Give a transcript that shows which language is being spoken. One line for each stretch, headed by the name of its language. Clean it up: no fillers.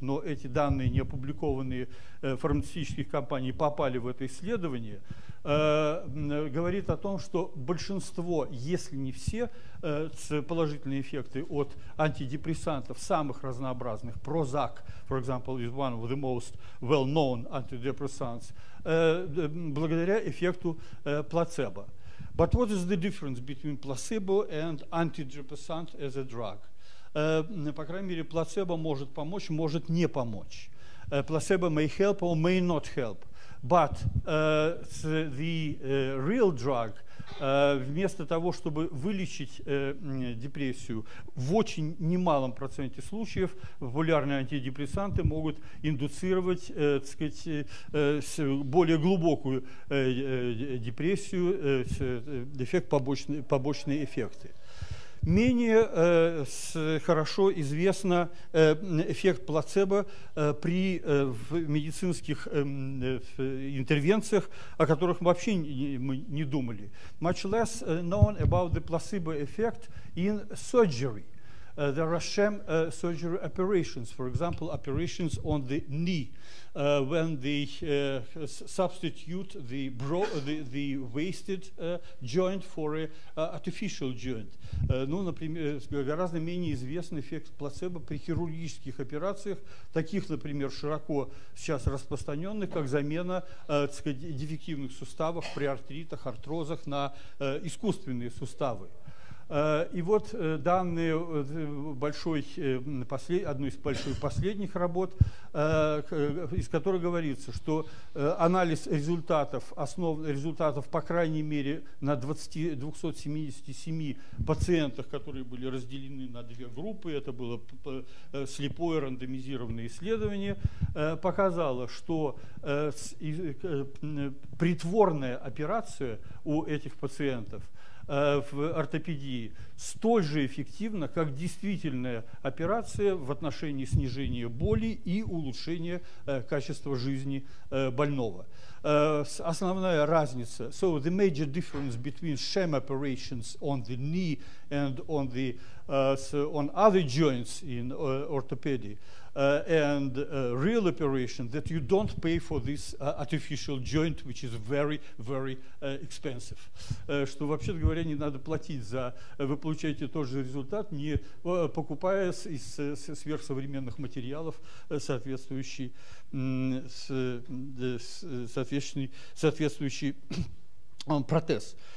Russian: Но эти данные, не опубликованные фармацевтических компаний, попали в это исследование, говорит о том, что большинство, если не все, положительные эффекты от антидепрессантов самых разнообразных,
English: Prozac, for example, is one of the most well-known antidepressants,
Russian: благодаря эффекту плацебо.
English: But what is the difference between placebo and antidepressant as a drug?
Russian: По крайней мере, плацебо может помочь, может не помочь.
English: Placebo may help or may not help. But the real drug,
Russian: вместо того, чтобы вылечить депрессию, в очень немалом проценте случаев популярные антидепрессанты могут индуцировать, так сказать, более глубокую депрессию, эффект побочные эффекты. Менее хорошо известно эффект плацебо при в медицинских интервенциях, о которых вообще мы не думали.
English: Much less known about the placebo effect in surgery. There are sham surgery operations, for example, operations on the knee, when they substitute the wasted joint for an artificial joint.
Russian: Например, гораздо менее известен эффект плацебо при хирургических операциях, таких, например, широко сейчас распространенных, как замена дефективных суставов при артритах, артрозах на искусственные суставы. И вот данные одной из больших последних работ, из которой говорится, что анализ результатов, результатов по крайней мере на 277 пациентах, которые были разделены на две группы, это было слепое рандомизированное исследование, показало, что притворная операция у этих пациентов в ортопедии столь же эффективно, как действительная операция в отношении снижения боли и улучшения качества жизни больного. Основная разница.
English: So the major difference between sham operations on the knee and on the on other joints in orthopedy and real operation, that you don't pay for this artificial joint, which is very, very expensive.
Russian: Что вообще говоря, не надо платить за, вы получаете тот же результат, не покупая из сверхсовременных материалов соответствующий протез.